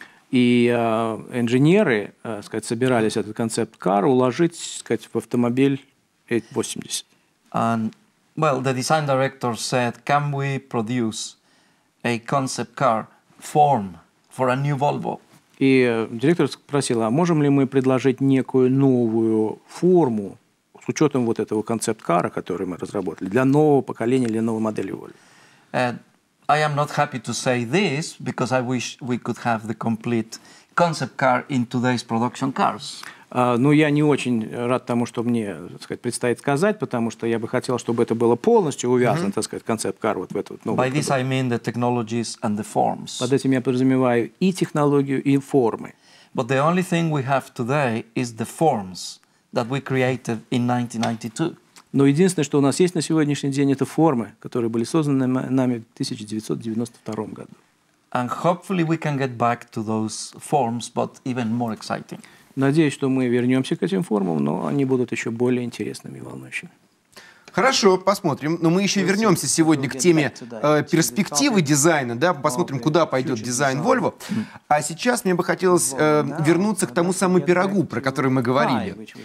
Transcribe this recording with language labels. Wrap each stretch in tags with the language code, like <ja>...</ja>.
<ru>И инженеры, сказать, собирались этот концепт-кар уложить, сказать, в автомобиль 880.</ru> <en>And well, the design director said, "Can we produce a concept car form for a new Volvo?"</en> <ru>И директор спросил, а можем ли мы предложить некую новую форму с учетом вот этого концепт-кара, который мы разработали, для нового поколения или новой модели Volvo.</ru> <en>I am not happy to say this, because I wish we could have the complete concept car in today's production cars.</en> <ru>Ну, я не очень рад тому, что мне, так сказать, предстоит сказать, потому что я бы хотел, чтобы это было полностью увязано, так сказать, концепт-кар вот в эту новую.</ru> <en>By this I mean the technologies and the forms.</en> <ru>Под этим я подразумеваю и технологию, и формы.</ru> <en>But the only thing we have today is the forms that we created in 1992.</en> <ru>Но единственное, что у нас есть на сегодняшний день, это формы, которые были созданы нами в 1992 году.</ru> <en>And hopefully we can get back to those forms, but even more exciting.</en> <ru>Надеюсь, что мы вернемся к этим формам, но они будут еще более интересными и волнующими. Хорошо, посмотрим. Но мы еще вернемся сегодня к теме перспективы дизайна, да, посмотрим, куда пойдет дизайн Volvo. А сейчас мне бы хотелось вернуться к тому самому пирогу, про который мы говорили.</ru>